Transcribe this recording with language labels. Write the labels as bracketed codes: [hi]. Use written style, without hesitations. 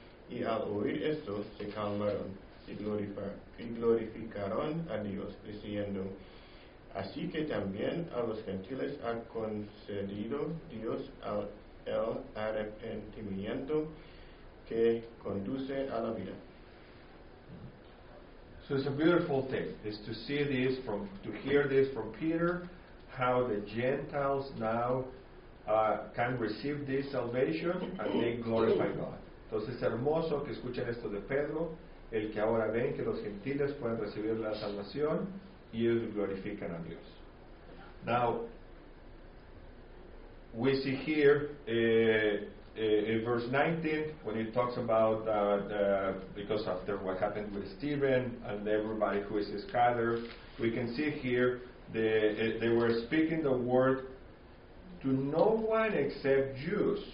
[es] Y al oír esto, se calmaron y glorificaron a Dios, diciendo, así que también a los gentiles ha concedido Dios el arrepentimiento que conduce a la vida. [en] So it's a beautiful thing, is to see this from, to hear this from Peter, how the Gentiles now can receive this salvation and they glorify God. [es] Entonces es hermoso que escuchen esto de Pedro, el que ahora ven que los gentiles pueden recibir la salvación y ellos glorifican a Dios. [en] Now, we see here in verse 19, when it talks about because after what happened with Stephen and everybody who is scattered, we can see here they were speaking the word to no one except Jews.